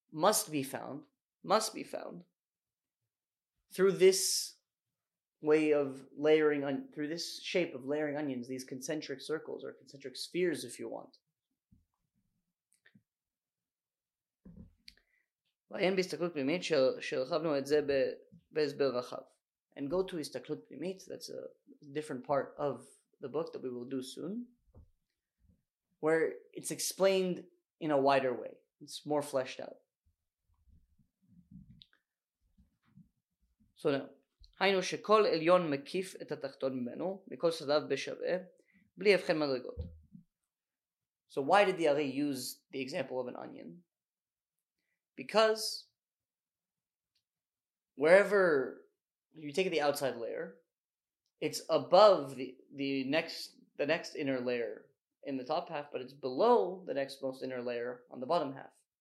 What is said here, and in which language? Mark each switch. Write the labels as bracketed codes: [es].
[en] That must be found, through this way of layering, through this shape of layering onions, these concentric circles, or concentric spheres, if you want. [he] ואין בהסתכלות פנימית שרחבנו את זה בהסבר רחב. [en] And go to הסתכלות פנימית, that's a different part of the book that we will do soon, where it's explained in a wider way. It's more fleshed out. So now, [he] היינו שכל עליון מקיף את התחתון ממנו, מכל סדיו בשווה, בלי הבחן מדרגות. [en] So why did the Ari use the example of an onion? Because wherever you take the outside layer, it's above the next inner layer in the top half, but it's below the next most inner layer on the bottom half.